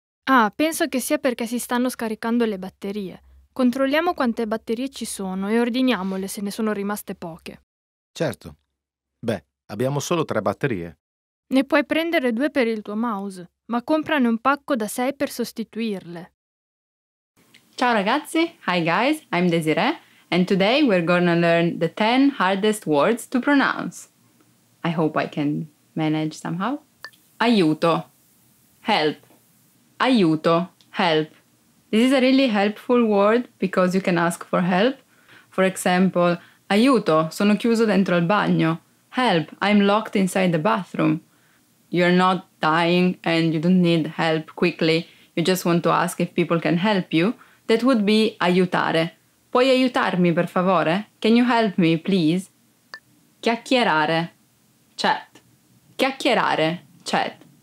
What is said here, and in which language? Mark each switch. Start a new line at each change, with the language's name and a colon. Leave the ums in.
Italian: Ah, penso che sia perché si stanno scaricando le batterie. Controlliamo quante batterie ci sono e ordiniamole se ne sono rimaste poche. Certo. Beh, abbiamo solo tre batterie. Ne puoi prendere due per il tuo mouse, ma comprane un pacco da sei per sostituirle. Ciao ragazzi,
English: hi guys, I'm Desiree and today we're gonna learn the 10 hardest words to pronounce. I hope I can manage somehow. Aiuto. Help. Aiuto. Help. This is a really helpful word because you can ask for help. For example,
Italian: aiuto, sono chiuso dentro al bagno.
English: Help, I'm locked inside the bathroom. You're not dying and you don't need help quickly. You just want to ask if people can help you. That would be
Italian: aiutare. Puoi aiutarmi, per favore?
English: Can you help me, please? Chiacchierare. Chat. Chiacchierare. Chat.